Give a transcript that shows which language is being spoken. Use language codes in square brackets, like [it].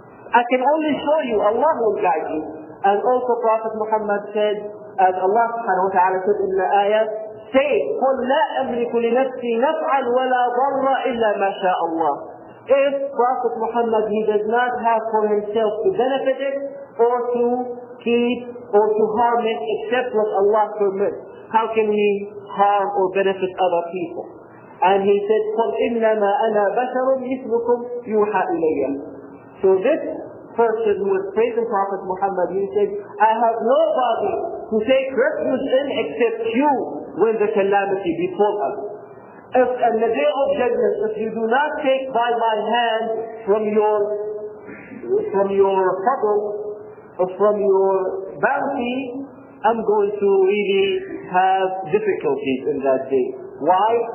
[en] I can only show you, Allah will guide you. And also Prophet Muhammad said, as Allah subhanahu wa ta'ala said in the ayah, say, [ar] قُلْ لَا أَمْلِكُ لِنَفْسِي نَفْعًا وَلَا ضَرًّا إِلَّا مَا شَاءَ اللَّهُ. [en] If Prophet Muhammad, he does not have for himself to benefit it, or to keep, or to harm it, except what Allah permits, how can he harm or benefit other people? And he said, [ar] قُلْ إِنَّمَا أَنَا بَشَرٌ مِثْلُكُمْ يُوحَى إِلَيَّ. [en] So this person who was praising Prophet Muhammad, he said, I have nobody to take refuge in except you when the calamity befalls us. If in the day of judgment, if you do not take by my hand from your fadl or from your bounty, I'm going to really have difficulties in that day. Why?